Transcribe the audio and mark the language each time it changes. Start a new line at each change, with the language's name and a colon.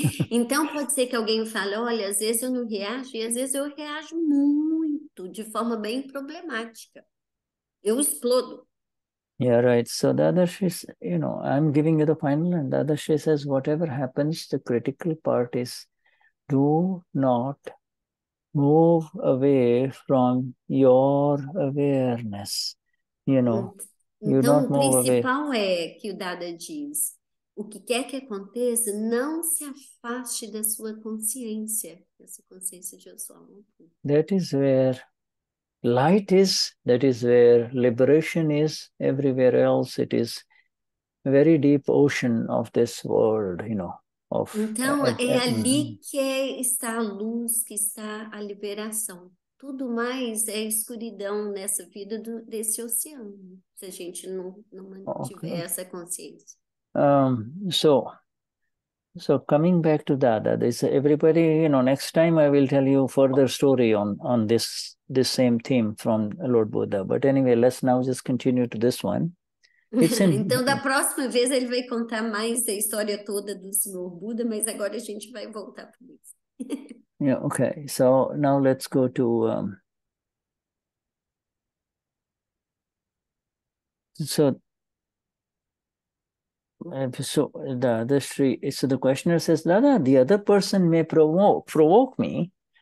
Portuguese: Então pode ser que alguém fale, olha, às vezes eu não reajo, e às vezes eu reajo muito, de forma bem problemática. Eu explodo.
English: Yeah, right. So Dadashri, you know, I'm giving you the final, and Dadashri says, whatever happens, the critical part is do not move away from your awareness. You know,
Portuguese: então,
English: you don't move away.
Portuguese: Então, o principal é que o Dada diz, o que quer que aconteça, não se afaste da sua consciência, da sua consciência de eu sou um.
English: That is where light is, that is where liberation is. Everywhere else, it is a very deep ocean of this world, you know. Of,
Portuguese: então, ali que está a luz, que está a liberação. Tudo mais é escuridão nessa vida do, desse oceano, se a gente não mantiver essa consciência.
English: So coming back to Dada, this everybody, you know, next time I will tell you further story on this same theme from Lord Buddha. But anyway, let's now just continue to this one. It's in...
Portuguese: Então, da próxima vez ele vai contar mais a história toda do Senhor Buda, mas agora a gente vai voltar para isso.
English: Yeah, okay. So now let's go to So Dadashri, so the questioner says, Dada, the other person may provoke me.